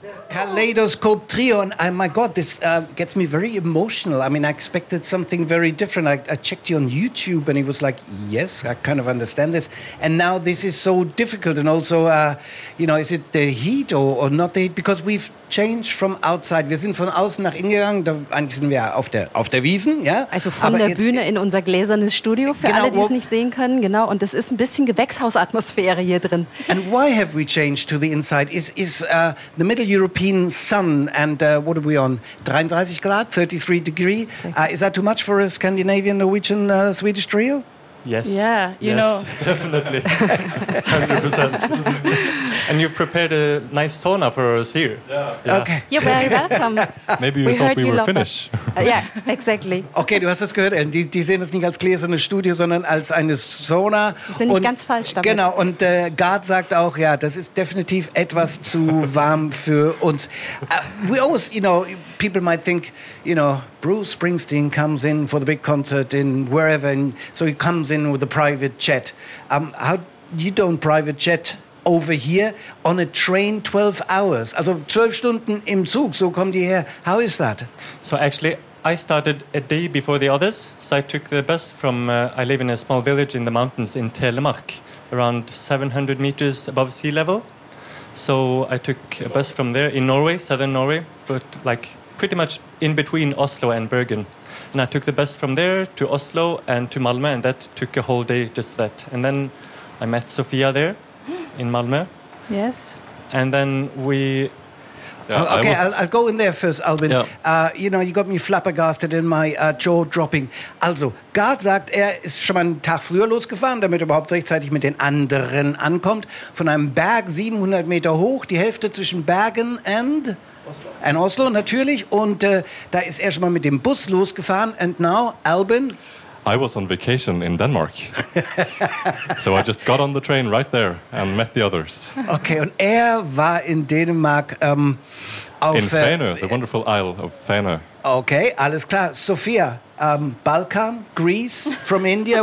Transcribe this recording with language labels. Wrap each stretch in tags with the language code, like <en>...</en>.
<en>Kaleidoscope Trio, and my God, this gets me very emotional. I mean, I expected something very different. I checked you on YouTube, and it was like, yes, I kind of understand this. And now this is so difficult, and also, you know, is it the heat or not the heat? Because we've changed from outside.</en> <de>Wir sind von außen nach innen gegangen, da eigentlich sind wir ja auf der Wiesn, ja? Also von aber der Bühne in unser gläsernes Studio, für genau, alle, die es nicht sehen können, genau. Und es ist ein bisschen Gewächshausatmosphäre hier drin.</de> <en>And why have we changed to the inside? Is the Middle European sun and what are we on? 33 Grad, 33 degree. Is that too much for a Scandinavian, Norwegian, Swedish trio? Yes. Yeah, you yes, know. Definitely. 100%. And you prepared a nice sauna for us here. Yeah. Okay. You're very welcome. Maybe you thought we were finished. Yeah, exactly.</en> <de>Okay, du hast es gehört. Die sehen es nicht als gläsernes Studio, sondern als eine Sauna. Die sind nicht ganz falsch damit. Genau. Und Gard sagt auch, ja, das ist definitiv etwas zu warm für uns.</de> <en>We always, you know, people might think, you know, Bruce Springsteen comes in for the big concert in wherever, and so he comes in with a private jet. How you don't private jet over here on a train 12 hours?</en> <de>Also 12 Stunden im Zug, so kommt ihr her.</de> <en>How is that? So actually, I started a day before the others. So I took the bus from, I live in a small village in the mountains in Telemark, around 700 meters above sea level. So I took a bus from there in Norway, southern Norway, but like pretty much in between Oslo and Bergen. And I took the bus from there to Oslo and to Malmö, and that took a whole day, just that. And then I met Sofia there in Malmö. Yes. And then we... Yeah, okay, I'll go in there first, Albin. Yeah. You know, you got me flabbergasted in my jaw dropping.</en> <de>Also, Gard sagt, er ist schon mal einen Tag früher losgefahren, damit er überhaupt rechtzeitig mit den anderen ankommt. Von einem Berg 700 Meter hoch, die Hälfte zwischen Bergen and... In Oslo, natürlich. Und da ist er schon mal mit dem Bus losgefahren.</de> <en>And now, Albin? I was on vacation in Denmark. So I just got on the train right there and met the others.</en> <de>Okay, und er war in Dänemark auf...</de> <en>In Fäne, the wonderful Isle of Fäne.</en> <de>Okay, alles klar. Sophia, Balkan, Greece,</de> <en>from India.</en>